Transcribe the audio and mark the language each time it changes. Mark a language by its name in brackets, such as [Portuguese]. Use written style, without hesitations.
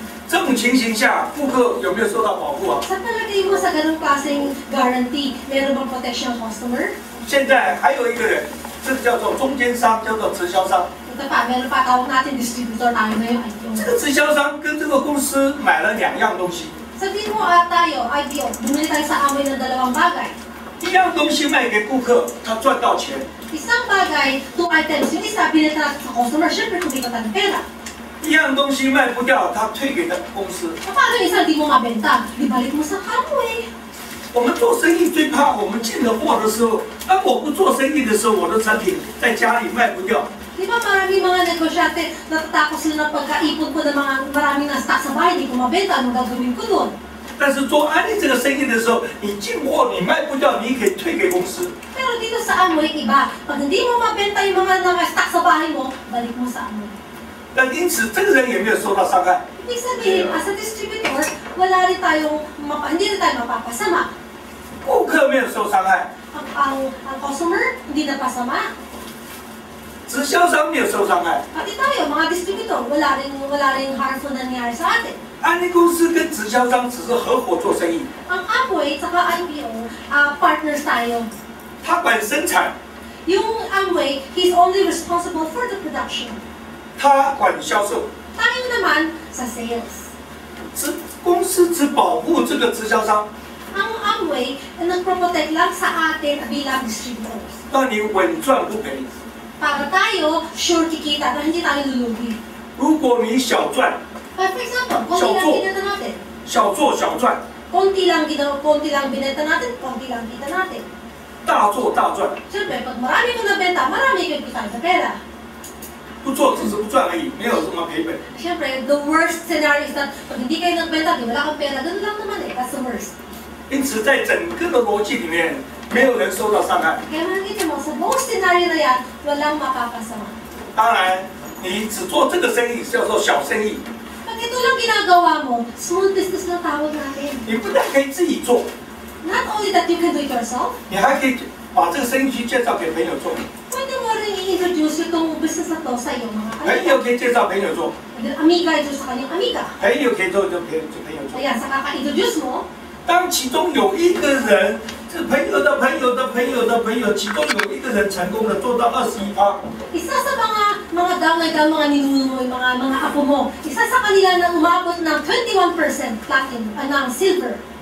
[Chinese] 这种情形下，顾客有没有受到保护啊？ [Filipino] sa palagay mo sa ganong klaseng guarantee, meron bang protection customer? [Chinese] 现在还有一个人，这个叫做中间商，叫做直销商。这个直销商跟这个公司买了两样东西。 [Filipino] Sabihin mo tayo, IPO, bumili tayo sa Amway ng dalawang bagay. [Chinese] 一样东西卖给顾客，他赚到钱。 [Filipino] Isang bagay, [English] two items, [Filipino] yung isa, bilhin tayo sa customer, syempre kumikita ng pera。 [Chinese] 一样东西卖不掉，他退给他公司。 [Filipino] Paano yung isang di mo mabenta, ibalik mo sa Amway。 [Chinese] 我们做生意最怕我们进了货的时候，当我不做生意的时候，我的产品在家里卖不掉。 [Filipino] Di ba maraming mga negosyante natatakot sila ng pagkaipon ko ng mga maraming na stock sa bahay, di ko mabenta, ano gagawin ko doon? [Chinese] 但是做安利这个生意的时候，你进货你卖不掉，你可以退给公司。 [Filipino] Pero dito sa Amway iba, pag hindi mo mabenta yung mga na stock sa bahay mo, balik mo sa Amway. [Chinese] 但因此这个人也没有受到伤害。 [Filipino] Ibig sabihin, [English] as a distributor, [Filipino] wala rin tayong, hindi rin tayong mapapasama. [Chinese] 顾客没有受伤害。 [Filipino] Ang customer, hindi napasama. [Chinese] 直销商没有受伤害。 [Filipino] Pati tayo, mga distributor, wala rin harmful na nangyari sa atin. [Chinese] 安利公司跟直销商只是合伙做生意。 [Filipino] Ang Amway at IPO, partners tayo. [Chinese] 他管生产。 [English] Yung Amway, he's only responsible for the production. [Chinese] 他管销售。 [Filipino] Tayo naman sa sales. [Chinese] 公司只保护这个直销商。 [Filipino] Ang Amway, nagpro-protect lang sa atin bilang distributors. [Chinese] 那你稳赚不赔。 [Filipino] Para tayo, sure kikita na hindi tayo lulugi. [Chinese] 如果你小赚 [Filipino] For example, konti lang binenta natin. [Chinese] 小做小赚。 [Filipino] Konti lang binenta natin, konti lang kita natin. [Chinese] 大做大赚。 [Filipino] Siyempre, pag marami mo nabenta, marami kang kita sa pera. [Chinese] 不做只是不赚而已，没有什么赔本。 [Filipino] Siyempre, [English] the worst scenario is that [Filipino] pag hindi kayo nagbenta, di wala kang pera, ganun lang naman eh, customers. [Chinese] 因此在整个的逻辑里面，没有人受到伤害。 [Filipino] Kaya makikita mo, sa buong scenario na yan, walang makakasama. [Chinese] 当然，你只做这个生意叫做小生意。 [Filipino] Pag ito lang ginagawa mo, small business na tawag natin. [Chinese] 你不但可以自己做。 [English] Not only that you can do it yourself. [Chinese] 你还可以把这个生意去介绍给朋友做。 [Filipino] Pwede mo rin i-introduce yung business na to sa iyong mga kaibigan. [Chinese] 朋友可以介绍朋友做。 [Filipino] Amiga ito sa kanyang amiga. [Chinese] 朋友可以做就朋友做。 [Filipino] Ayan, sa kaka-introduce mo, [Chinese] 当其中有一个人，这朋友的朋友的朋友的朋友，其中有一个人成功的做到21%。 [Filipino] Isa sa mga damay-damay mga ninuno mo, mga apo mo, isa sa kanila na umabot ng 21% platinum, silver.